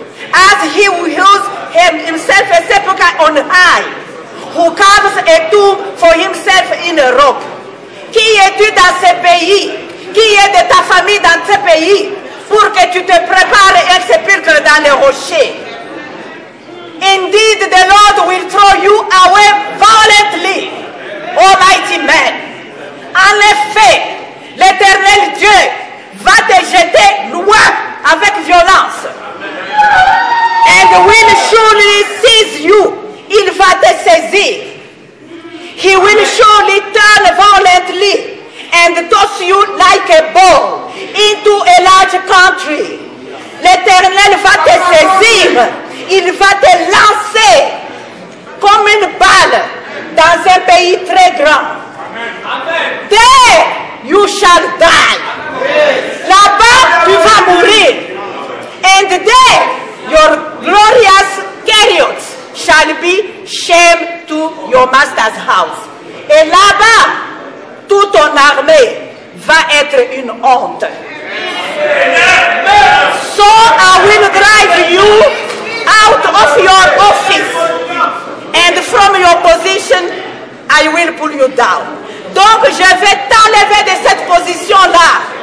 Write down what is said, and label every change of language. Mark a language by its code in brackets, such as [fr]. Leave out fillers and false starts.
[en] As he hews himself a sepulchre on high, who carves a tomb for himself in a rock. [fr] Qui es-tu dans ce pays? Qui est de ta famille dans ce pays? Pour que tu te prépares un sepulchre dans les rochers. [en] Indeed, the Lord will throw you away violently, almighty man. [fr] En effet, l'Éternel Dieu va te jeter loin avec violence. [en] And will surely seize you. [fr] Il va te saisir. [en] He will surely turn violently and toss you like a ball into a large country. [fr] L'Éternel va te saisir. Il va te lancer comme une balle dans un pays très grand. Amen. [en] There you shall die. [fr] Là-bas, tu vas mourir. [en] And there your glorious chariot shall be shame to your master's house. [fr] Et là-bas, toute ton armée va être une honte. [en] So I will drive you out of your office. And from your position, I will pull you down. [fr] Donc je vais t'enlever de cette position-là.